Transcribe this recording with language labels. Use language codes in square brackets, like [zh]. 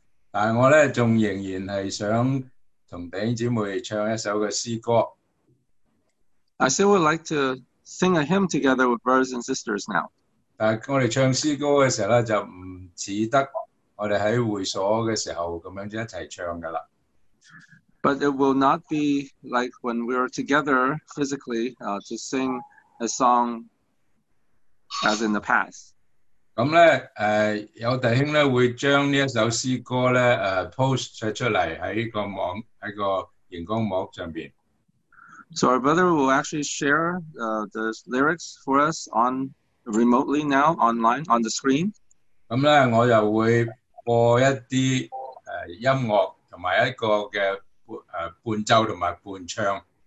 [yue] 但系我咧仲仍然系想同弟兄姊妹唱一首嘅诗歌。 [en] I still would like to sing a hymn together with brothers and sisters now. [yue] 但我哋唱诗歌嘅时候咧，就唔似得我哋喺会所嘅时候咁样一齐唱噶啦。 [en] But it will not be like when we are together physically, to sing a song as in the past. [yue] 咁咧，有弟兄咧会将呢一首诗歌咧，post 出嚟喺个荧光幕上边。 [en] So our brother will actually share the lyrics for us on remotely now online on the screen. [yue] 咁咧，我又會播一啲音樂，同埋一個嘅伴奏同埋伴唱。